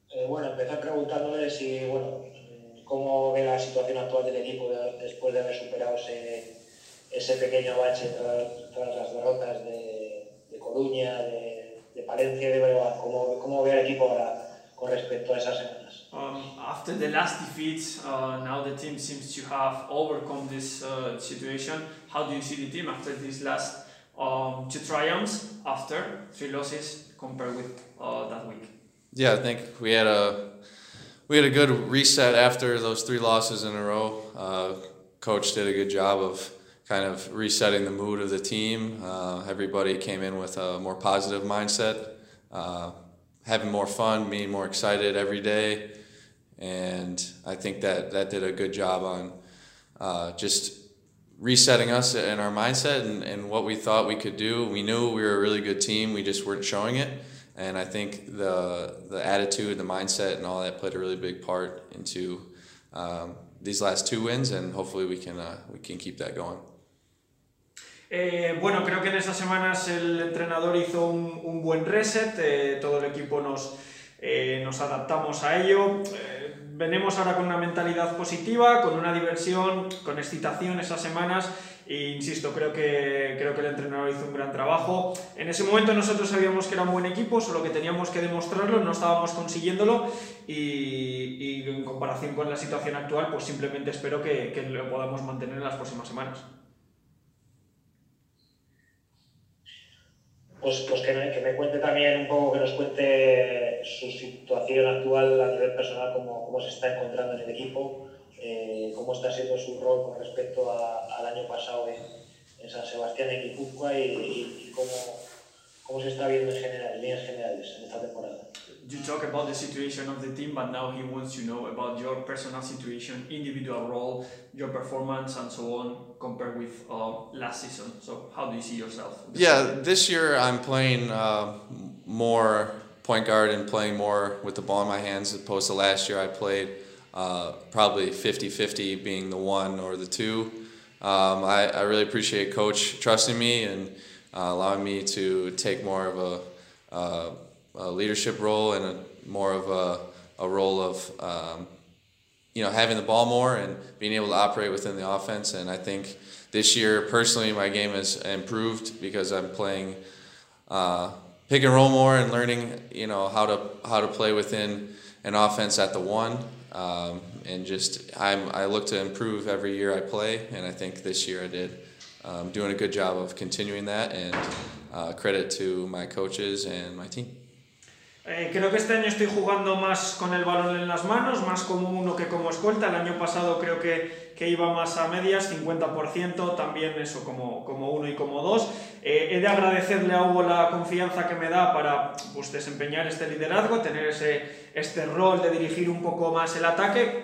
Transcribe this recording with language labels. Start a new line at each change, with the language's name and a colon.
Spanish: Bueno, empezar preguntándole si, bueno, cómo ve la situación actual del equipo después de haber superado ese pequeño bache tras las derrotas de Coruña, de Palencia y de Bilbao. ¿Cómo ve el equipo ahora con respecto a esas semanas?
English: After the last defeats, now the team seems to have overcome this situation. How do you see the team after these last two triumphs after three losses compared with that week? Yeah, I think we had a good reset after those three losses in a row. Coach did a good job of kind of resetting the mood of the team. Everybody came in with a more positive mindset, having more fun, being more excited every day. And I think that did a good job on just resetting us and our mindset and what we thought we could do. We knew we were a really good team, we just weren't showing it. And I think the attitude, the mindset, and all that played a really big part into these last two wins, and hopefully we can keep that going.
Spanish: Bueno, creo que en estas semanas el entrenador hizo un buen reset, todo el equipo nos adaptamos a ello. Venimos ahora con una mentalidad positiva, con una diversión, con excitación esas semanas. E insisto, creo que el entrenador hizo un gran trabajo. En ese momento nosotros sabíamos que era un buen equipo, solo que teníamos que demostrarlo, no estábamos consiguiéndolo y en comparación con la situación actual, pues simplemente espero que lo podamos mantener en las próximas semanas. Pues que me cuente también un poco, que nos cuente su situación actual a nivel personal, cómo se está encontrando en el equipo, cómo está siendo su rol con respecto al año pasado en San Sebastián, en Guipúzcoa, y cómo se está viendo en líneas generales en esta temporada.
English: You talk about the situation of the team, but now he wants to know about your personal situation, individual role, your performance, and so on, compared with last season. So, how do you see yourself this Yeah, season? this year I'm playing more point guard and playing more with the ball in my hands, as opposed to last year I played probably 50-50 being the one or the two. I really appreciate Coach trusting me and allowing me to take more of a leadership role and more of a role of having the ball more and being able to operate within the offense. And I think this year, personally, my game has improved because I'm playing pick and roll more and learning, how to play within an offense at the one. And just I look to improve every year I play, and I think this year I did. Doing a good job of continuing that, and credit to my coaches and my team.
Spanish: Creo que este año estoy jugando más con el balón en las manos, más como uno que como escolta. El año pasado creo que iba más a medias, 50%, también eso como uno y como dos. He de agradecerle a Hugo la confianza que me da para, pues, desempeñar este liderazgo, tener este rol de dirigir un poco más el ataque.